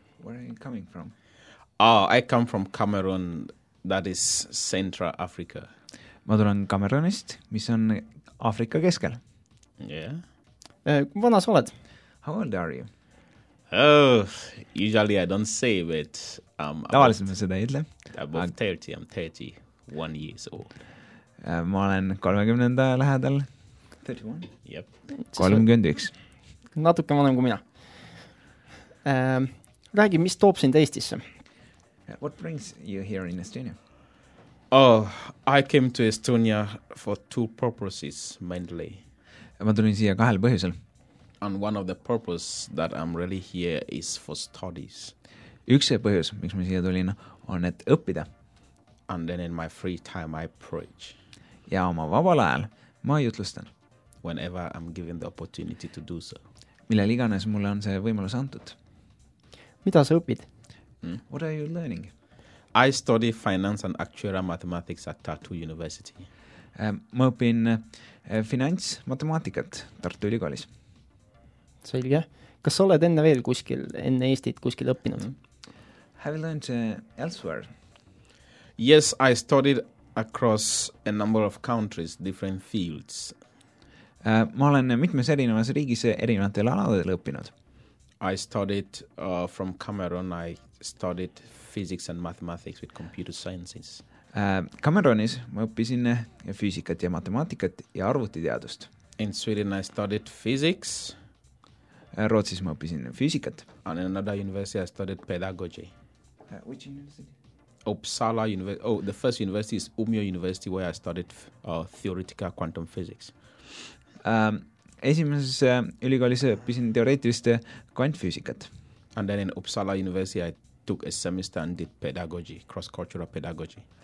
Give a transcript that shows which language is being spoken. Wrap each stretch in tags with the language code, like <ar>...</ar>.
<en>Where are you coming from? Oh, I come from Cameroon, that is Central Africa.</en> <et>Ma tulen Cameroonist, mis on Afrika keskel.</et> <en>Yeah.</en> <et>Vana sa oled?</et> <en>How old are you? Oh, usually I don't say, but I'm</en> <et>tavaliselt ma seda ütle.</et> <en>Above 30, I'm 31 years old.</en> <et>Ma olen 30. lähedal.</et> <en>31? Yep. 31.</en> <et>Natuke vanem kui mina. Räägi, mis toob sind Eestisse?</et> <en>What brings you here in Estonia? Oh, I came to Estonia for two purposes mainly.</en> <et>Ma tulin siia kahel põhjusel.</et> <en>And one of the purpose that I'm really here is for studies.</en> <et>Üks põhjus, miks ma siia tulin, on et õppida.</et> <en>And then in my free time I preach.</en> <et>Ja oma vabal ajal ma jutlustan.</et> <en>Whenever I'm given the opportunity to do so.</en> <et>Millel iganes mulle on see võimalus antud. Mida sa õpid?</et> <en>What are you learning? I study finance and actuarial mathematics at Tartu University.</en> <et>Ma õpin finantsmatemaatikat Tartu ülikoolis. Selge. Kas sa oled enne veel kuskil, enne Eestit kuskil õppinud?</et> <en>Have you learned elsewhere? Yes, I studied across a number of countries, different fields.</en> <et>Ma olen mitmes erinevas riigis erinevatel aladel õppinud.</et> <en>I studied from Cameroon, I studied physics and mathematics with computer sciences.</en> <et>Cameroonis ma õppisin füüsikat ja matemaatikat ja arvutiteadust.</et> <en>In Sweden I studied physics.</en> <et>Rootsis ma õppisin füüsikat.</et> <en>And in another university I studied pedagogy. Which university? Uppsala University. Oh, the first university is Umeå University where I studied theoretical quantum physics.</en> <et>Esimeses ülikoolis õppisin teoreetilist kvantfüüsikat.</et> <en>And then in Uppsala University I took a semester and did pedagogy, cross-cultural pedagogy.</en>